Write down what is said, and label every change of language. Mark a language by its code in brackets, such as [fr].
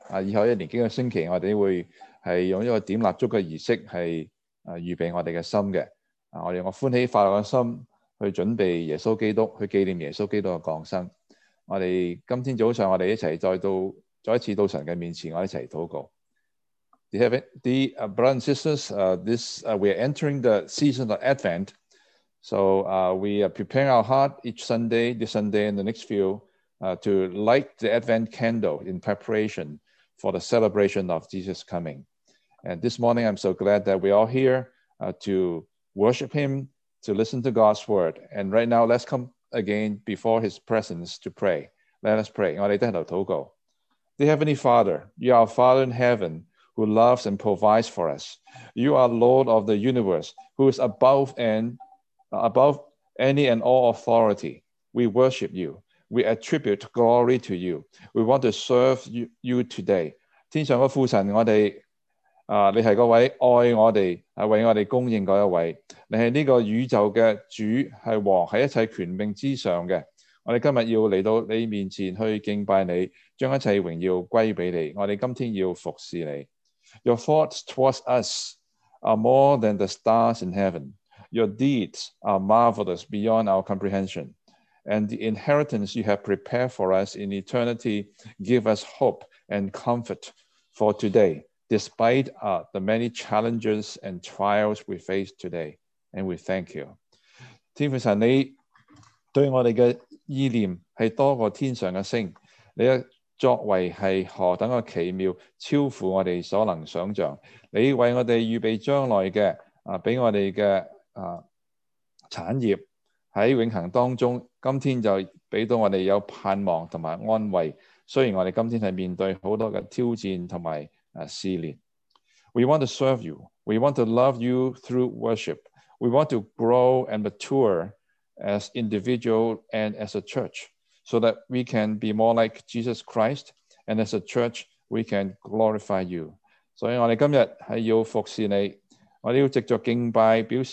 [zh] 以后一年几个星期我们会用一个点蜡烛的仪式是预备我们的心的。我们用欢喜快乐的心去准备耶稣基督，去纪念耶稣基督的降生。我们今天早上我们一起再一次到神的面前，我们一起祷告。 [en] Brothers and sisters, we are entering the season of Advent. So we are preparing our heart each Sunday, this Sunday and the next few, to light the Advent candle in preparation for the celebration of Jesus' coming. And this morning, I'm so glad that we're all here to worship Him, to listen to God's word. And right now, let's come again before His presence to pray. Let us pray. [zh] 我们低头祷告。 [en] Dear Heavenly Father, you are our Father in heaven, who loves and provides for us. You are Lord of the universe, who is above any and all authority. We worship you. We attribute glory to you. We want to serve you today. [zh] 天上的父神，我们你是那位爱我们，为我们供应的一位。你是这个宇宙的主，是王，是一切权柄之上的。我们今天要来到你面前去敬拜你，将一切荣耀归给你。我们今天要服侍你。 [en] Your thoughts towards us are more than the stars in heaven. Your deeds are marvelous beyond our comprehension. And the inheritance you have prepared for us in eternity give us hope and comfort for today, despite the many challenges and trials we face today. And we thank you. [zh] 天父神，你对我们的意念是多过天上的星，你作为是何等的奇妙，超乎我们所能想象。你为我们预备将来的给我们的产业，在永恒当中今天就给到我们有盼望和安慰，虽然我们今天是面对很多的挑战和试炼。 [en] We want to serve you. We want to love you through worship. We want to grow and mature as individual and as a churchSo that we can be more like Jesus Christ, and as a church, we can glorify you. So, we are going to serve you. We are going to be able to do this.